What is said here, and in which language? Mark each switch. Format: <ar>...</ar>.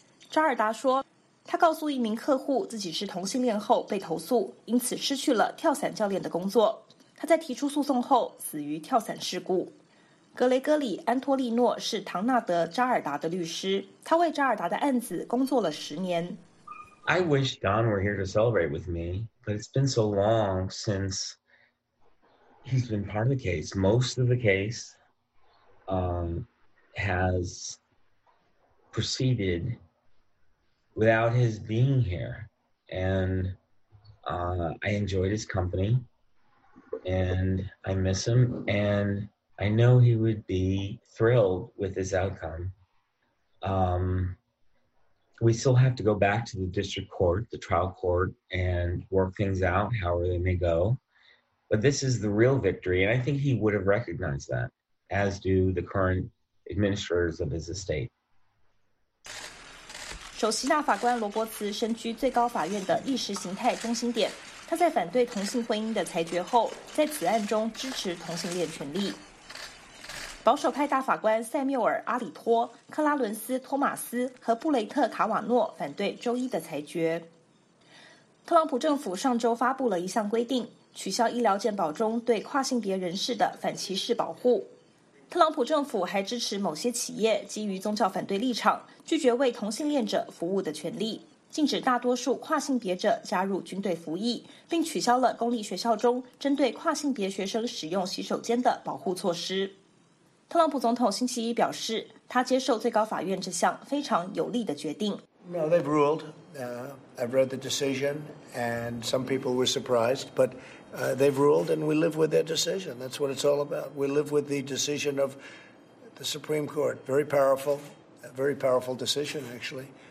<zh>扎尔达说，他告诉一名客户自己是同性恋后被投诉，因此失去了跳伞教练的工作。他在提出诉讼后死于跳伞事故。格雷戈里·安托利诺是唐纳德·扎尔达的律师，他为扎尔达的案子工作了10年。</zh> <en>I wish Don were here to celebrate with me, but it's been so long since he's been part of the case. Most of the case, has proceeded without his being here, and I enjoyed his company, and I miss him, and. I know he would be thrilled with his outcome. We still have to go back to the district court, the trial court, and work things out, however they may go. But this is the real victory, and I think he would have recognized that, as do the current administrators of his estate.</en> <zh>首席大法官罗伯茨身居最高法院的意识形态中心点，他在反对同性婚姻的裁决后，在此案中支持同性恋权利。保守派大法官塞缪尔·阿里托、克拉伦斯·托马斯和布雷特·卡瓦诺反对周一的裁决。特朗普政府上周发布了一项规定，取消医疗健保中对跨性别人士的反歧视保护。特朗普政府还支持某些企业基于宗教反对立场拒绝为同性恋者服务的权利，禁止大多数跨性别者加入军队服役，并取消了公立学校中针对跨性别学生使用洗手间的保护措施。特朗普总统星期一表示，他接受最高法院这项非常有利的决定。</zh> <en>No, they've ruled. I've read the decision, and some people were surprised, but they've ruled, and we live with their decision. That's what it's all about. We live with the decision of the Supreme Court. Very powerful decision, actually.</en>